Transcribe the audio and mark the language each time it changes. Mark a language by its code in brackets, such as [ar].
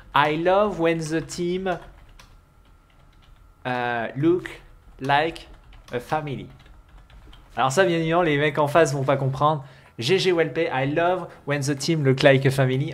[en] I love when the team look like a family. [fr] Alors ça, bien évidemment, les mecs en face vont pas comprendre. [en] GG Wellplay, I love when the team look like a family.